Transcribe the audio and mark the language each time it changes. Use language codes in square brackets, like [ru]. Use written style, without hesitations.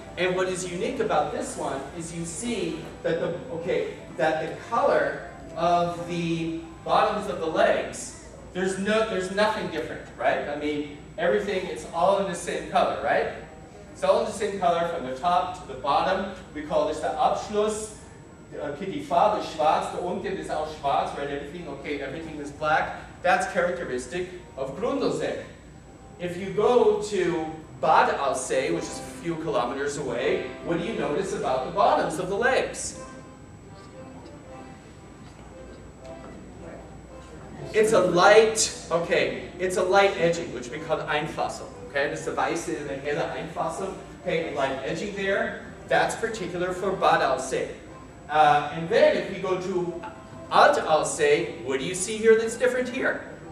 [en] And what is unique about this one is you see that the color of the bottoms of the legs, there's nothing different, right? I mean, everything, it's all in the same color, right? It's all in the same color from the top to the bottom. We call this the Abschluss. [de] Die Farbe ist schwarz, der Unten ist auch schwarz, [en] right? Everything is black. That's characteristic of Grundelsee. If you go to Bad Aussee, which is a few kilometers away, what do you notice about the bottoms of the legs? It's a light edging, which we call Einfassung. [de] Okay, das ist der weiße, der helle Einfassung. [en] Okay, a light edging there. That's particular for Bad Aussee. And then if we go to Alt Aussee, what do you see here that's different here?